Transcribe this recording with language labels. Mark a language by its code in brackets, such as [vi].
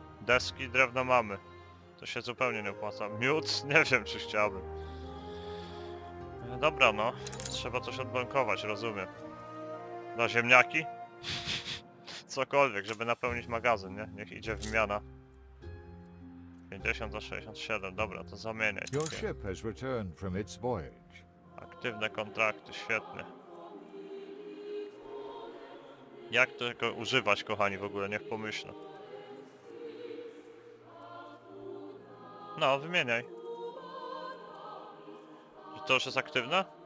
[pl] Deski, drewno mamy. To się zupełnie nie opłaca. Miód? Nie wiem, czy chciałbym. Dobra, no. Trzeba coś odbankować, rozumiem. Na ziemniaki? Cokolwiek, żeby napełnić magazyn, nie? Niech idzie wymiana. 50 do 67, dobra, to zamienię. [en] Your ship has returned from its voyage. [pl] Aktywne kontrakty, świetne. Jak tego używać, kochani, w ogóle, niech pomyślę. No, wymieniaj. Czy to już jest aktywne?